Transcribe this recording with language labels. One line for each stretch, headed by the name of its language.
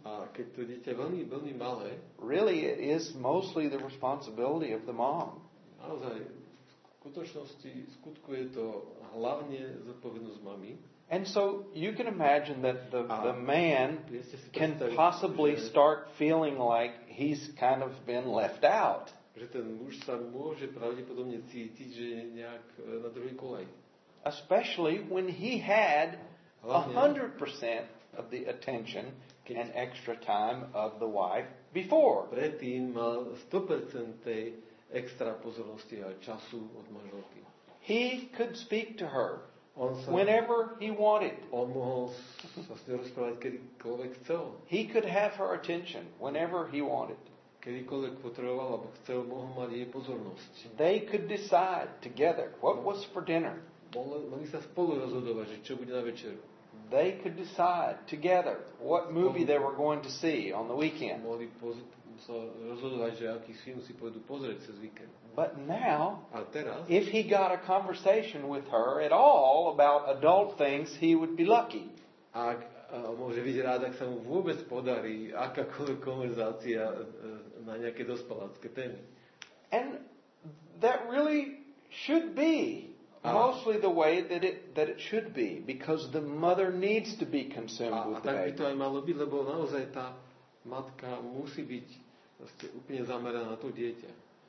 Slovak: a keď to dieťa veľmi, veľmi malé,
English: really it is mostly the responsibility of the mom.
Slovak: Naozaj, v skutočnosti skutkuje to hlavne zodpovednosť mami.
English: And so you can imagine that the man can possibly start feeling like he's kind of been left out.
Slovak: Že ten muž sa môže pravdepodobne cítiť, že je nejak na druhej kolej.
English: Especially when he had 100% of the attention and extra time of the wife before.
Slovak: Predtým mal 100% tej extra pozornosti a času od manželky.
English: He could speak to her whenever he wanted.
Slovak: On mohol sa s ňou rozprávať kedykoľvek chcel.
English: He could have her attention whenever he wanted.
Slovak: Kedykoľvek potreboval alebo chcel, mohol mať jej pozornosť.
English: They could decide together what was for dinner.
Slovak: Mohli sa spolu rozhodovať, že čo bude na večeru.
English: They could decide together what movie they were going to see on the weekend.
Slovak: Mohli sa rozhodovať, že aký film si pôjdu pozrieť cez víkend.
English: But now,
Slovak: a teraz,
English: if he got a conversation with her at all about adult things, he would be lucky.
Slovak: Ak môže byť rád, ak sa mu vôbec podarí akákoľvek konverzácia na nejaké dospelácké témy.
English: And that really should be mostly the way that it should be, because the mother needs to be consumed with the baby.
Slovak: A tak by to aj malo byť, lebo naozaj tá matka musí byť úplne zameraná na to dieťa.